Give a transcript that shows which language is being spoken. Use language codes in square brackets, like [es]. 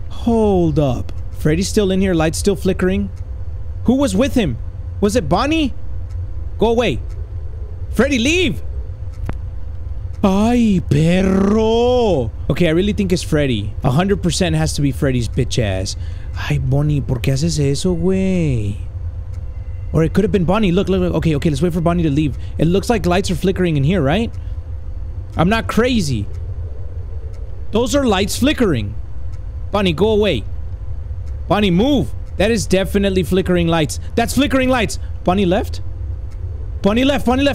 [en] Hold up. Freddy's still in here. Lights still flickering. Who was with him? Was it Bonnie? Go away. Freddy, leave! [es] Ay, perro! [en] Okay, I really think it's Freddy. 100% has to be Freddy's bitch ass. [es] Ay, Bonnie, ¿por qué haces eso, güey? [en] Or it could have been Bonnie. Look. Okay, let's wait for Bonnie to leave. It looks like lights are flickering in here, right? I'm not crazy. Those are lights flickering. Bonnie, go away. Bonnie, move. That is definitely flickering lights. That's flickering lights. Bonnie left.